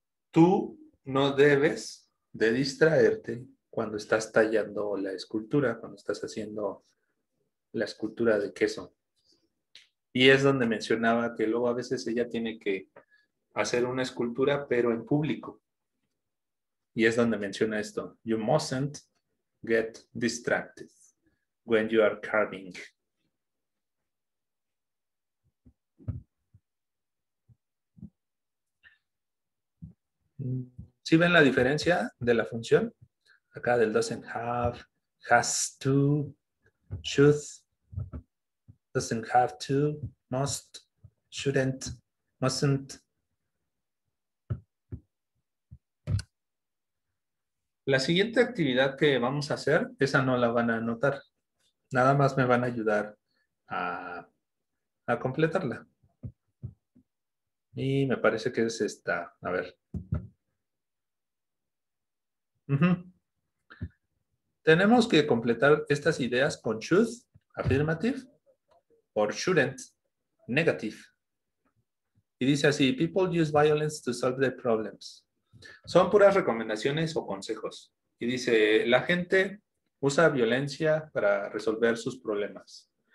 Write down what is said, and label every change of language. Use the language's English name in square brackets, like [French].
[Spanish] Tú no debes de distraerte cuando estás tallando la escultura, cuando estás haciendo la escultura de queso. Y es donde mencionaba que luego a veces ella tiene que hacer una escultura, pero en público. Y es donde menciona esto. [English] You mustn't get distracted when you are carving. [Spanish] ¿Sí ven la diferencia de la función? Acá del doesn't have, has to, should, doesn't have to, must, shouldn't, mustn't. La siguiente actividad que vamos a hacer, esa no la van a anotar. Nada más me van a ayudar a completarla. Y me parece que es esta. A ver. Tenemos que completar estas ideas con [English] should, affirmative, or shouldn't, negative. [Spanish] Y dice así, [English] people use violence to solve their problems. [Spanish] Son puras recomendaciones o consejos. Y dice, la gente usa violencia para resolver sus problemas.